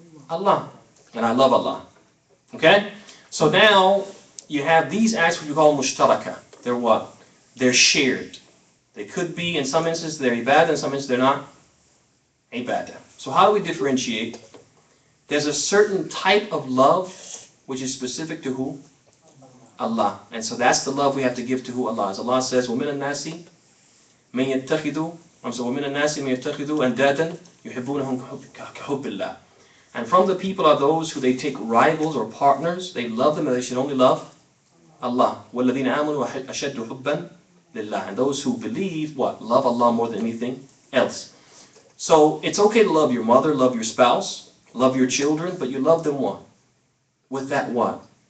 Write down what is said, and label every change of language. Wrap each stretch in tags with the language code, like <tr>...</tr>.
<en>Allah, and I love Allah, okay? So now you have these acts which we call mushtaraka. They're what? They're shared. They could be, in some instances, they're ibadah, in some instances, they're not ibadah. So how do we differentiate? There's a certain type of love which is specific to who? Allah. And so that's the love we have to give to who Allah is.</en> <ar>Allah says, وَمِنَ النَّاسِ مَنْ يَتَّخِذُ وَمِنَ النَّاسِ مَنْ يَتَّخِذُ أَنْدَادًا يُحِبُّونَهُمْ كَحُبِّ اللَّهِ.</ar> <en>And from the people are those who they take rivals or partners. They love them and they should only love Allah.</en> <ar>وَالَّذِينَ آمَنُوا أَشَدُّ حُبًّا لِلَّهِ.</ar> <en>And those who believe, what? Love Allah more than anything else. So it's okay to love your mother, love your spouse, love your children, but you love them what? With that what?</en>